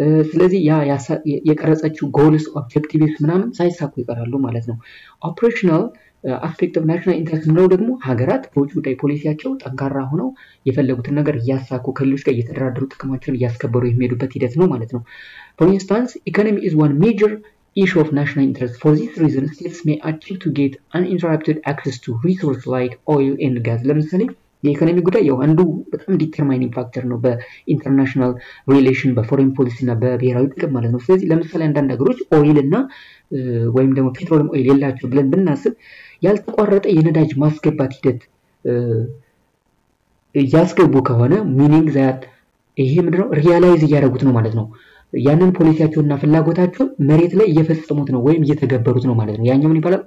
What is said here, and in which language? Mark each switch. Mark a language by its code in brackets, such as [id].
[am] ስለዚህ ያ የቀረጸችው ጎልስ ኦብጀክቲቭስ ምናምን ሳይሳኩ ይቀራሉ ማለት ነው። ኦፕሬሽናል አስፔክት ኦፍ ናሽናል ኢንትረስት ምለው ደግሞ ሀገራት በውጭ ጉዳይ ፖሊሲያቸው ጠንካራ ሆነው የፈለጉትን ነገር እያሳኩ ከሌሎች ጋር እየተደራደሩ ጥቅማቸውን እያስከበሩ የሚሄዱበት ሂደት ነው ማለት ነው። [en] ፎር ኢንስታንስ ኢኮኖሚ ኢዝ ዋን ሜጀር issue of national interest. For this reason, states may achieve to get uninterrupted access to resources like oil and gas. [am] ለምሳሌ የኢኮኖሚ ጉዳይ ያው አንዱ በጣም ዲተርማይኒንግ ፋክተር ነው በኢንተርናሽናል ሪሌሽን በፎሬን ፖሊሲ እና በብሔራዊ ጥቅም ማለት ነው። ስለዚህ ለምሳሌ አንዳንድ ሀገሮች ኦይል እና ወይም ደግሞ ፔትሮልም ኦይል የላቸው ብለን ብናስብ ያልተቋረጠ የነዳጅ ማስገባት ሂደት እያስገቡ ከሆነ ሚኒንግ ዛት ይሄ ምንድነው ሪያላይዝ እያደረጉት ነው ማለት ነው። ያንን ፖሊሲያቸውና ፍላጎታቸው መሬት ላይ እየፈጸሙት ነው ወይም እየተገበሩት ነው ማለት ነው። ያኛው ምን ይባላል?